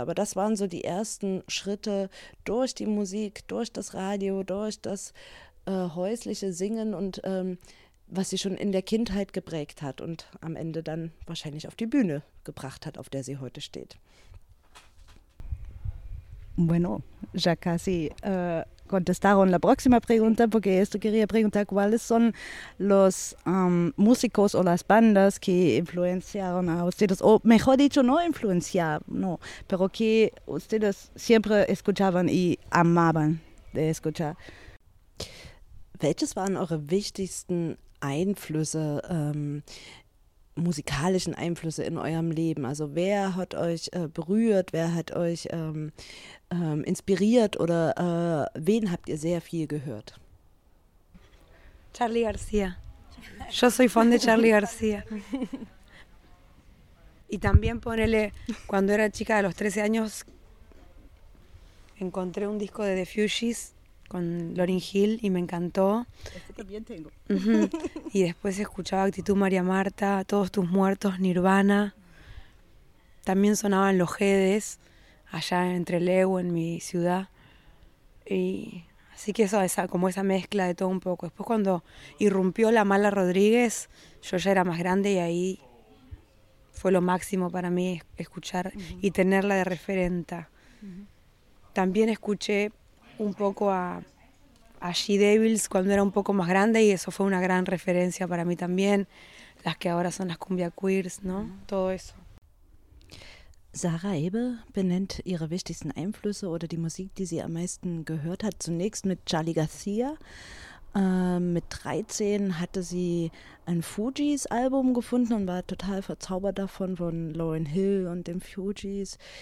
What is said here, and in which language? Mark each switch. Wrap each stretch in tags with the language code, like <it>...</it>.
<de>Aber das waren so die ersten Schritte durch die Musik, durch das Radio, durch das häusliche Singen und was sie schon in der Kindheit geprägt hat und am Ende dann wahrscheinlich auf die Bühne gebracht hat, auf der sie heute steht.</de> <es>Bueno, ya casi contestaron la próxima pregunta, porque esto quería preguntar cuáles son los músicos o las bandas que influenciaron a ustedes, o mejor dicho, no influenciaron, no, pero que ustedes siempre escuchaban y amaban de escuchar.</es> <de>Welches waren eure wichtigsten Einflüsse, musikalischen Einflüsse in eurem Leben? Also wer hat euch berührt, wer hat euch inspiriert oder wen habt ihr sehr viel gehört?</de> <es>Charly García. Yo soy fan de Charly García. Y también ponele, cuando era chica de los 13 años, encontré un disco de The Fugees con Lauryn Hill y me encantó. Este también tengo. Y después escuchaba Actitud María Marta, Todos tus muertos, Nirvana. También sonaban Los Jedes allá entre Lego en mi ciudad. Y así que eso, esa, como esa mezcla de todo un poco. Después cuando irrumpió La Mala Rodríguez, yo ya era más grande y ahí fue lo máximo para mí escuchar y tenerla de referente. También escuché un poco a She Devils cuando era un poco más grande y eso fue una gran referencia para mí también, las que ahora son las cumbia queers, ¿no? Todo eso.</es> <de>Sarah Ebel benennt ihre wichtigsten Einflüsse oder die Musik, die sie am meisten gehört hat, zunächst mit Charly García. Mit 13 hatte sie ein Fugees-Album gefunden und war total verzaubert davon, von Lauryn Hill und den Fugees.</de>